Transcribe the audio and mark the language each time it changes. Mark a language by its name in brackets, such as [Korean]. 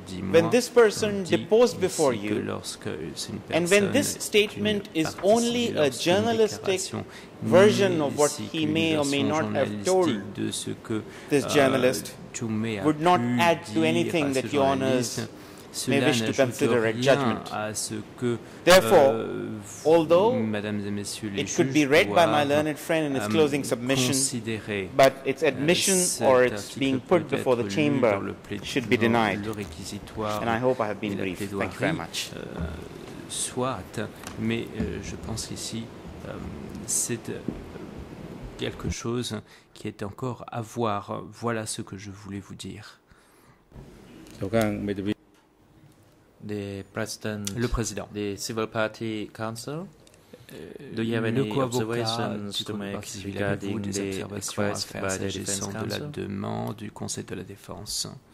[English] when this person deposed before you, and when this statement is only a journalistic version of what he may or may not have told this journalist, would not add to anything that your honors may wish to consider a judgment. Therefore, although it could be read by my learned friend in his closing submission, but its admission or its being put before the chamber should be denied. And I hope I have been brief. Thank you very much. [French] Soit, mais je pense ici c'est quelque chose qui est encore à voir. Voilà ce que je voulais vous dire. Le président. [English] The Civil Party Council. Do you have any observations to make regarding the request by the Defense Council? [French] De la demande du Conseil de la Défense.